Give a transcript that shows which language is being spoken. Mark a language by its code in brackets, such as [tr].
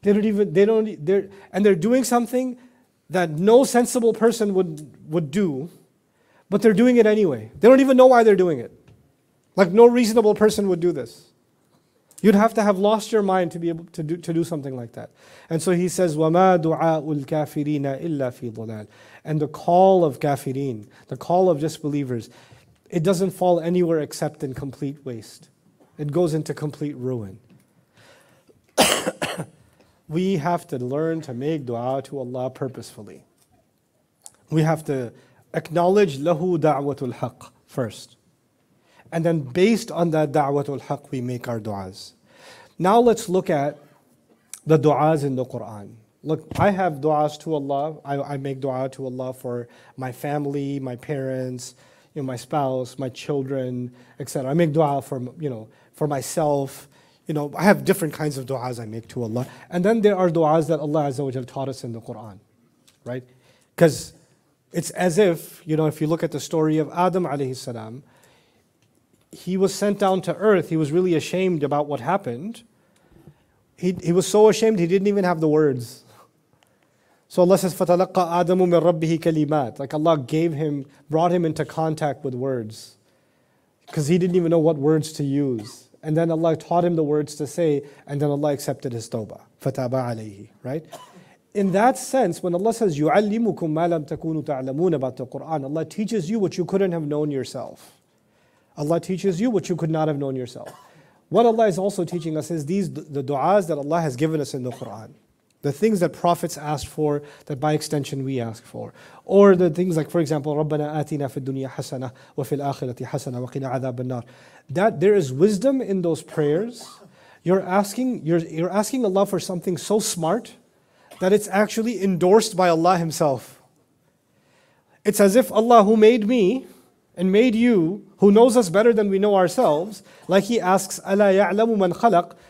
[en] They're doing something that no sensible person would do, but they're doing it anyway. They don't even know why they're doing it. Like, no reasonable person would do this. You'd have to have lost your mind to be able to do something like that. And so he says, [ar] وَمَا دُعَاءُ الْكَافِرِينَ إِلَّا فِي ضَلَالٍ. [en] And the call of kafirin, the call of disbelievers, it doesn't fall anywhere except in complete waste. It goes into complete ruin. We have to learn to make dua to Allah purposefully. We have to acknowledge [ar] لَهُ دَعْوَةُ الْحَقِّ [en] first. And then based on that da'watul haqq, we make our du'as. Now let's look at the du'as in the Qur'an. Look, I have du'as to Allah. I make du'a to Allah for my family, my parents, you know, my spouse, my children, etc. I make du'a for myself. You know, I have different kinds of du'as I make to Allah. And then there are du'as that Allah Azza wa Jalla taught us in the Qur'an, right? Because it's as if, you know, if you look at the story of Adam alayhi salam, he was sent down to earth. He was really ashamed about what happened. He was so ashamed he didn't even have the words. So Allah says, [ar] فَتَلَقَّ آدَمُ مِن رَبِّهِ كَلِمَاتٍ. [en] Like, Allah brought him into contact with words. Because he didn't even know what words to use. And then Allah taught him the words to say, and then Allah accepted his tawbah. [ar] فَتَابَ عَلَيْهِ. [en] Right? In that sense, when Allah says, [ar] يُعَلِّمُكُم مَا لَمْ تَكُونُوا تَعْلَمُونَ [en] about the Qur'an, Allah teaches you what you couldn't have known yourself. Allah teaches you what you could not have known yourself. What Allah is also teaching us is these, the du'as that Allah has given us in the Qur'an. The things that prophets asked for, that by extension we ask for. Or the things like, for example, [ar] رَبَّنَا آتِنَا فِي الدُّنْيَا حَسَنَةً وَفِي الْآخِرَةِ حَسَنَةً وَقِنَا عَذَابَ النَّارِ. [en] That there is wisdom in those prayers. You're asking Allah for something so smart that it's actually endorsed by Allah Himself. It's as if Allah, who made me, and made you, who knows us better than we know ourselves, like he asks, [ar] أَلَا يَعْلَمُ مَنْ خَلَقْ.